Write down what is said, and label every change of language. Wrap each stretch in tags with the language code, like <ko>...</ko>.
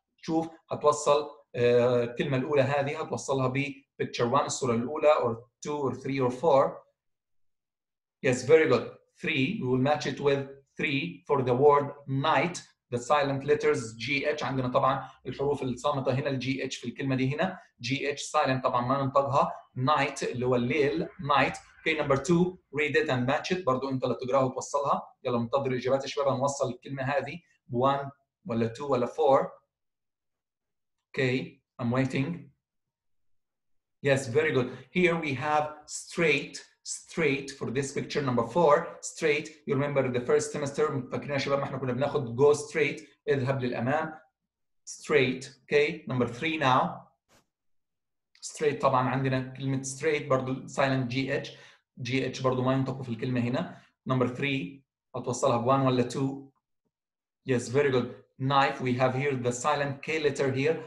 <ar>شوف هتوصل الكلمة الأولى هذه هتوصلها ب</ar> <en>picture one</en> <ar>الصورة الأولى</ar> <en>or two or three or four. Yes, very good. Three. We will match it with three for the word night. The silent letters G H.</en> <ar>عندنا طبعا الحروف الصامتة هنا ال G H في الكلمة دي هنا.</ar> <en>G H silent</en> <ar>طبعا ما ننطقها. Night اللي هو الليل. Night.</ar> <en>Okay, number two, read it and match it.</en> <ar>برضو انت لتقراه وتوصلها. يلا منتظر الإجابات يا شباب. نوصل الكلمة هذه. One ولا two ولا four.</ar> <en>Okay, I'm waiting. Yes, very good. Here we have straight for this picture. Number four, straight. You remember the first semester.</en> <ar>فاكرين يا شباب ما احنا كنا بناخد go</ar> <en>straight.</en> <ar>اذهب للأمام.</ar> <en>Straight. Okay, number three now. Straight</en> <ar>طبعا عندنا كلمة</ar> <en>straight.</en> <ar>برضو</ar> <en>silent GH.</en> <ar>GH برضو ما ينطقوا في الكلمة هنا.</ar> <en>Number three,</en> <ar>أتوصلها</ar> <en>بone ولا two. Yes, very good. Knife, we have here the silent K letter here.</en>